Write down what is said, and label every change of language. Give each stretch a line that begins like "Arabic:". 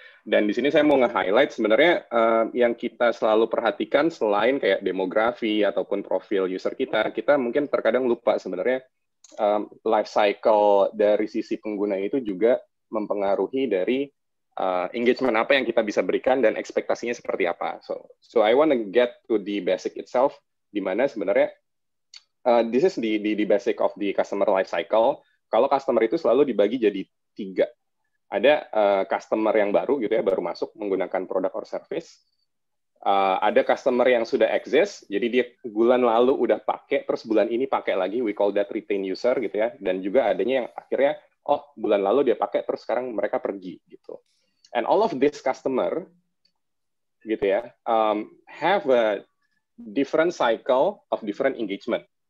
Indonesian: Dan di sini saya mau nge-highlight sebenarnya yang kita selalu perhatikan selain kayak demografi ataupun profil user kita, kita mungkin terkadang lupa sebenarnya life cycle dari sisi pengguna itu juga mempengaruhi dari engagement apa yang kita bisa berikan dan ekspektasinya seperti apa.
English: So I want to get to the basic itself,
Indonesian: di mana sebenarnya
English: this is the basic of the customer life cycle.
Indonesian: Kalau customer itu selalu dibagi jadi tiga. Ada customer yang baru gitu ya, baru masuk menggunakan
English: product or service.
Indonesian: Ada customer yang sudah exist, jadi dia bulan lalu udah pakai, terus bulan ini pakai lagi,
English: we call that retain user
Indonesian: gitu ya. Dan juga adanya yang akhirnya, oh bulan lalu dia pakai, terus sekarang mereka pergi gitu.
English: And all of this customer
Indonesian: gitu ya,
English: have a different cycle of different engagement.